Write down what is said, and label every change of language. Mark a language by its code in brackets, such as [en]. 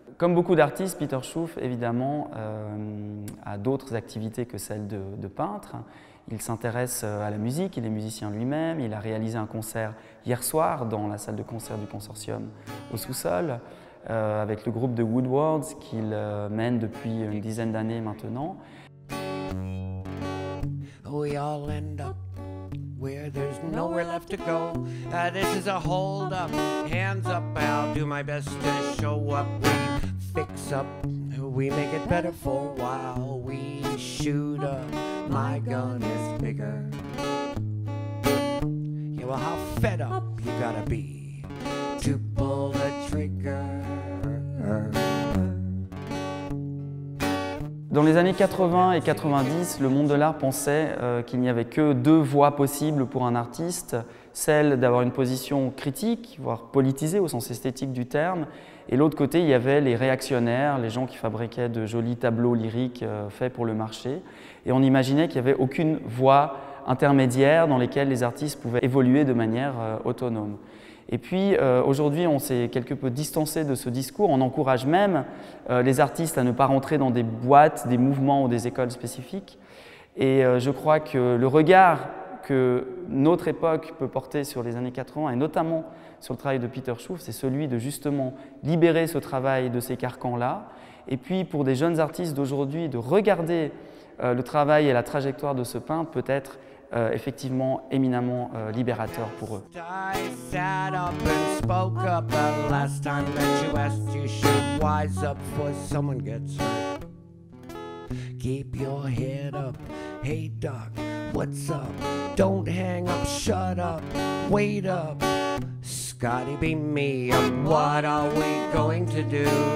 [fr] Comme beaucoup d'artistes, Peter Schuff, évidemment, a d'autres activités que celles de peintre. Il s'intéresse à la musique, il est musicien lui-même, il a réalisé un concert hier soir dans la salle de concert du Consortium au sous-sol avec le groupe de Woodwards qu'il mène depuis une dizaine d'années maintenant. [en] We all end up where there's nowhere left to go. This is a hold up, hands up, I'll do my best to show up. We fix up, we make it better for a while. We shoot up. My gun is bigger. Yeah, well, how fed up you gotta be to pull the trigger? [fr] Dans les années 80 et 90, le monde de l'art pensait qu'il n'y avait que 2 voies possibles pour un artiste, celle d'avoir une position critique, voire politisée au sens esthétique du terme, et l'autre côté, il y avait les réactionnaires, les gens qui fabriquaient de jolis tableaux lyriques faits pour le marché, et on imaginait qu'il n'y avait aucune voie intermédiaire dans laquelle les artistes pouvaient évoluer de manière autonome. Et puis aujourd'hui, on s'est quelque peu distancé de ce discours. On encourage même les artistes à ne pas rentrer dans des boîtes, des mouvements ou des écoles spécifiques. Et je crois que le regard que notre époque peut porter sur les années 80, et notamment sur le travail de Peter Schuff, c'est celui de justement libérer ce travail de ces carcans-là. Et puis pour des jeunes artistes d'aujourd'hui, de regarder le travail et la trajectoire de ce peintre peut être effectivement éminemment libérateur pour eux. [en] I sat up and spoke up the last time that you asked, you should wise up for someone gets hurt. Keep your head up, hey doc, what's up? Don't hang up, shut up, wait up. Scotty be me, what are we going to do?